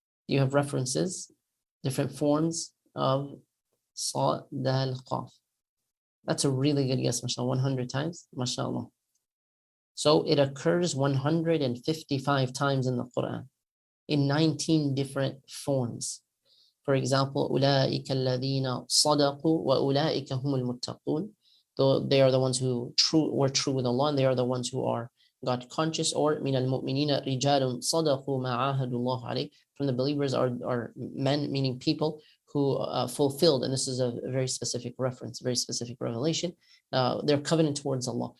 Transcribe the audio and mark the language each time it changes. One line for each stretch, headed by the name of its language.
English: you have references, different forms of Saad, Dal, Qaf. That's a really good guess, mashallah, 100 times, mashallah. So it occurs 155 times in the Quran in 19 different forms. For example,
Arabic: أُولَٰئِكَ الَّذِينَ صَدَقُوا وَأُولَٰئِكَ هُمُ الْمُتَّقُونَ.
English: They are the ones who were true with Allah, and they are the ones who are God conscious. Or
Arabic: مِنَ الْمُؤْمِنِينَ رِجَالٌ صَدَقُوا مَا عَاهَدُ اللَّهُ عَلَيْهِ.
English: From the believers are men, meaning people who fulfilled, and this is a very specific reference, very specific revelation, their covenant towards Allah.